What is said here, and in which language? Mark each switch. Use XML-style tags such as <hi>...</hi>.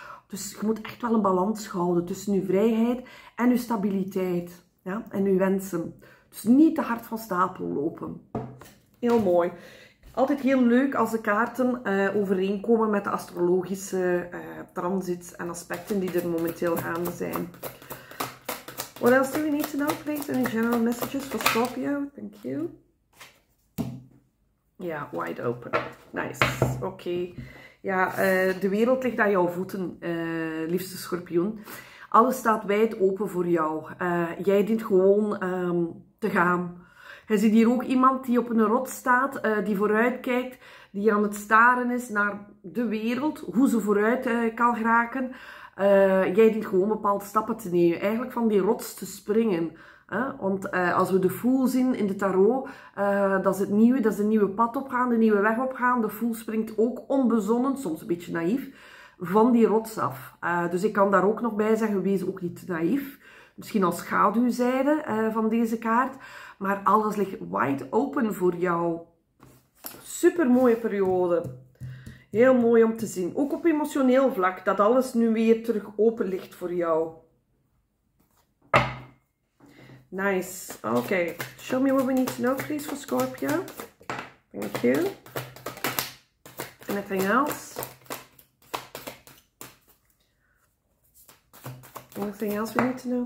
<nl>Dus je moet echt wel een balans houden tussen je vrijheid en je stabiliteit en je wensen. Dus niet te hard van stapel lopen. Heel mooi. Altijd heel leuk als de kaarten overeenkomen met de astrologische transits en aspecten die er momenteel gaande zijn.</nl> <en>What else do we need to know, please? Any general messages for Scorpio? Thank you. Yeah, wide open. Nice. Okay.</en> <nl>Ja, de wereld ligt aan jouw voeten, liefste schorpioen. Alles staat wijd open voor jou. Jij dient gewoon te gaan. Je ziet hier ook iemand die op een rots staat, die vooruitkijkt, die aan het staren is naar de wereld, hoe ze vooruit kan geraken. Jij dient gewoon bepaalde stappen te nemen, eigenlijk van die rots te springen. Want als we de Fool zien in de tarot, dat is het nieuwe, dat is de nieuwe pad opgaan, de nieuwe weg opgaan. De Fool springt ook onbezonnen, soms een beetje naïef, van die rots af. Dus ik kan daar ook nog bij zeggen, wees ook niet naïef. Misschien als schaduwzijde van deze kaart, maar alles ligt</nl> <en>wide open</en> <nl>voor jou. Super mooie periode. Heel mooi om te zien. Ook op emotioneel vlak, dat alles nu weer terug open ligt voor jou.</nl> <en>Nice. Okay. Show me what we need to know, please, for Scorpio. Thank you. Anything else? Anything else we need to know?</en>